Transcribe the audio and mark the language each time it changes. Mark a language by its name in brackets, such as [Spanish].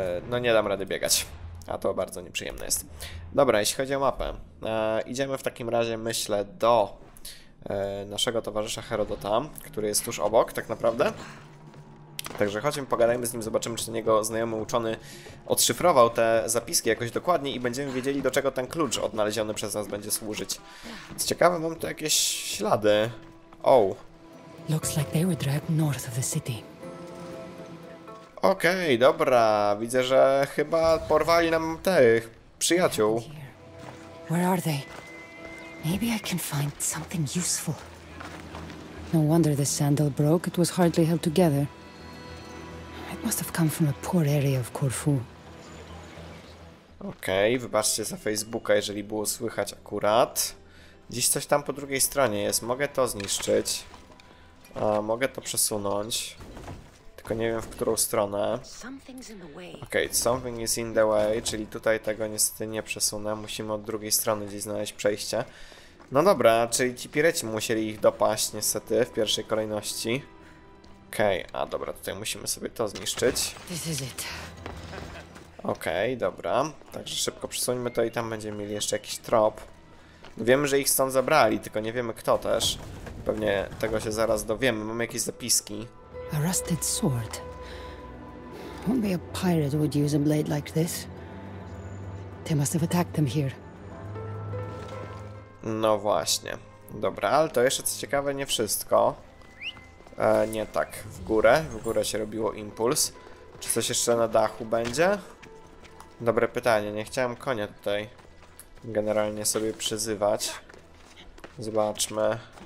[Polish] No nie dam rady biegać, a to bardzo nieprzyjemne jest. Dobra, jeśli chodzi o mapę, idziemy w takim razie, myślę, do naszego towarzysza Herodota, który jest tuż obok, tak naprawdę. Także chodźmy, pogadajmy z nim, zobaczymy, czy ten jego znajomy uczony odszyfrował te zapiski jakoś dokładnie i będziemy wiedzieli, do czego ten klucz odnaleziony przez nas będzie służyć. Co ciekawe, mam tu jakieś ślady. Oh. [English] Looks like they were dragged north of the city. [Polish] Okej, dobra. Widzę, że chyba porwali nam tych przyjaciół. [English] Where are they? Maybe I can find something useful. No wonder the sandal broke. It was hardly held together. It must have come from a poor area of Corfu. [Polish] Okej, wybaczcie za Facebooka, jeżeli było słychać akurat. Gdzieś coś tam po drugiej stronie jest. Mogę to zniszczyć. Mogę to przesunąć. Tylko nie wiem, w którą stronę. Okej, okay, [English] something is in the way, [Polish] czyli tutaj tego niestety nie przesunę. Musimy od drugiej strony gdzieś znaleźć przejście. No dobra, czyli ci pireci musieli ich dopaść niestety w pierwszej kolejności. Okej, okay, a dobra, tutaj musimy sobie to zniszczyć. Okej, okay, dobra. Także szybko przesuńmy to i tam będziemy mieli jeszcze jakiś trop. Wiemy, że ich stąd zabrali, tylko nie wiemy kto też. Pewnie tego się zaraz dowiemy. Mamy jakieś zapiski. [English] A rusted sword. Only a pirate would use a blade like this. They must have attacked them here. [Polish] No właśnie. Dobra, ale to jeszcze co ciekawe, nie wszystko. Nie tak. W górę. W górę się robiło impuls. Czy coś jeszcze na dachu będzie? Dobre pytanie. Nie chciałem konia tutaj generalnie sobie przyzywać. Zobaczmy.